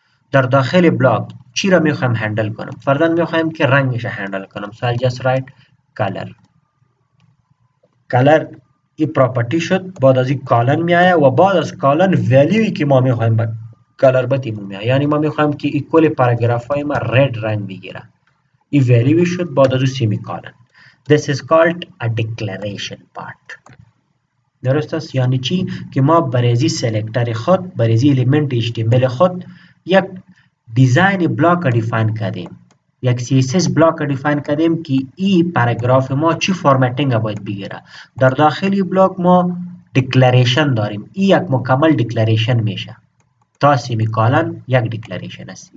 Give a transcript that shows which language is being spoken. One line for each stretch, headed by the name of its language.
Persian: در داخل بلاک چی را میخوایم هندل کنم؟ فرضاً میخوایم که رنگش را هندل کنم،
English: So I just write color.
Persian: کالر این پراپرتی شد، بعد از این کالن میآید و بعد از کالن ولیوی که ما میخوایم بدیم کلر بتی مومیا، یعنی ما میخوایم که ایکول پاراگراف های ما رد رنگ بگیره، ای ویلیو شد بعد از سیمی کالن.
English: This is called a declaration part.
Persian: درست است؟ یعنی چی؟ که ما بریزی سلیکتر خود، بریزی الیمنت ایش تی مل خود یک دیزاین بلاک دیفاین کردیم، یک سی اس اس بلاک دیفاین کردیم که ای پاراگراف ما چی فرمتینگ باید بگیره. در داخلی بلاک ما دیکلریشن داریم، ای یک مکمل دیکلریشن میشه تا سیمی کالن یک دیکلریشن است.